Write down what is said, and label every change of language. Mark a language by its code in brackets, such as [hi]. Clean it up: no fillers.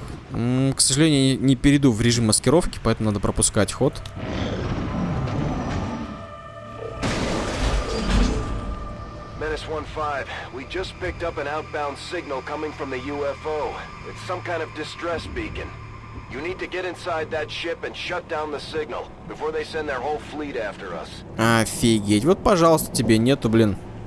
[ru] К сожалению, не перейду в режим маскировки, поэтому надо пропускать ход. [en] Menace 1-5, we just picked up an outbound signal coming from the UFO. It's some kind of distress beacon. You need to get inside that ship and shut down the signal before they send their whole fleet after us. [ru] Офигеть, вот пожалуйста, тебе нету, блин.